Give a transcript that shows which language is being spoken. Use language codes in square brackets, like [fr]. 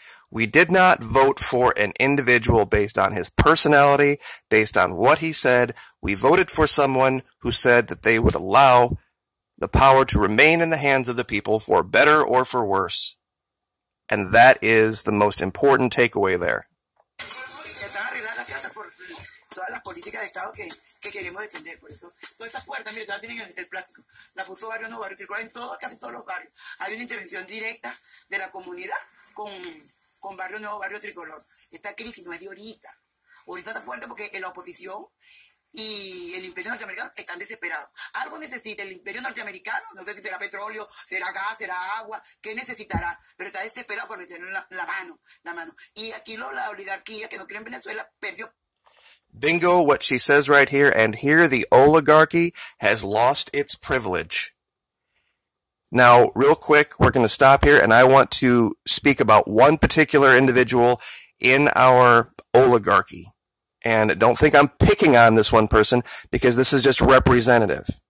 [en] We did not vote for an individual based on his personality, based on what he said. We voted for someone who said that they would allow the power to remain in the hands of the people for better or for worse. And that is the most important takeaway there. [es] Se están arreglando las casas por todas las políticas de Estado que queremos defender. Por eso, todas esas puertas, mira, todas tienen el plástico. La puso Barrio Nuevo, circula en todo, casi todos los barrios. Hay una intervención directa de la comunidad con Barrio Nuevo, Barrio Tricolor. Esta crisis no es de ahorita. Ahorita está fuerte porque la oposición y el imperio norteamericano están desesperados. Algo necesita el imperio norteamericano, no sé si será petróleo, será gas, será agua, ¿qué necesitará? Pero está desesperado por meterle la mano. Y aquí la oligarquía que no cree en Venezuela perdió. [en] Bingo, what she says right here, and here the oligarchy has lost its privilege. Now, real quick, we're going to stop here, and I want to speak about one particular individual in our oligarchy. And don't think I'm picking on this one person, because this is just representative.